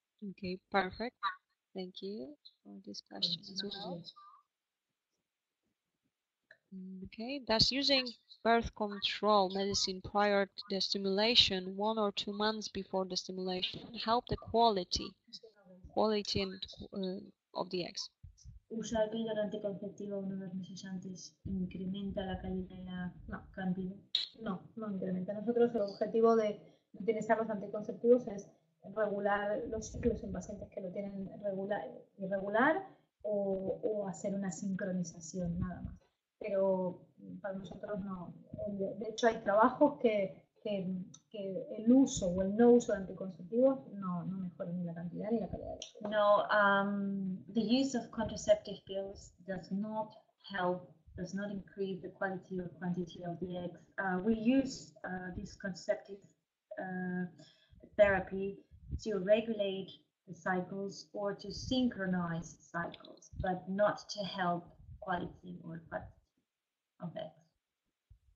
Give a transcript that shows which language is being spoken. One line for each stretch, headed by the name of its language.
English: Okay, perfect. Thank you for this question as well. Okay, does using birth control medicine prior to the stimulation, 1 or 2 months before the stimulation, help the quality and of the eggs?
Spanish: ¿Usar el píldora anticonceptiva 1 o 2 meses antes incrementa la calidad de la cantidad? No incrementa. Nosotros el objetivo de utilizar los anticonceptivos es regular los ciclos en pacientes que lo tienen irregular o hacer una sincronización, nada más. Pero para nosotros no. De hecho, hay trabajos que el uso o el no uso de anticonceptivos no mejora ni la cantidad ni la calidad.
English: No, the use of contraceptive pills does not help, does not increase the quality or quantity of the eggs. We use this contraceptive therapy to regulate the cycles or to synchronize cycles, but not to help quality or quantity of eggs.